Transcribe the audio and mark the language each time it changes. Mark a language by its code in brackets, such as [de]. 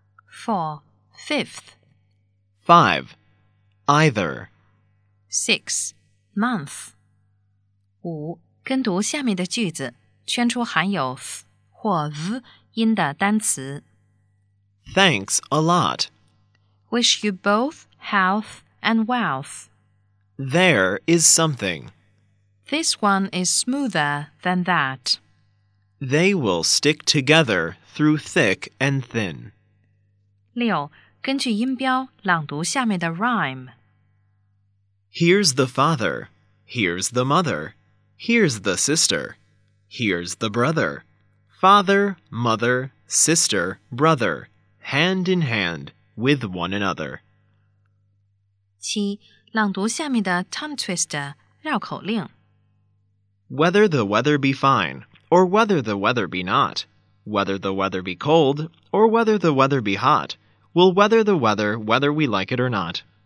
[en] 4. Fifth. 5. Either. 6. Month. 5. [zh] 跟读下面的句子，圈出含有 th 或 v 音的单词。 [en] Thanks a lot. Wish you both health and wealth. There is something. This one is smoother than that. They will stick together through thick and thin. [zh] 六，根据音标朗读下面的 rhyme. [en] Here's the father, here's the mother, here's the sister, here's the brother. Father, mother, sister, brother, hand in hand with one another. [zh] 七，朗读下面的 tongue twister, 绕口令。 [en] Whether the weather be fine,Or whether the weather be not, whether the weather be cold, or whether the weather be hot, we'll weather the weather whether we like it or not.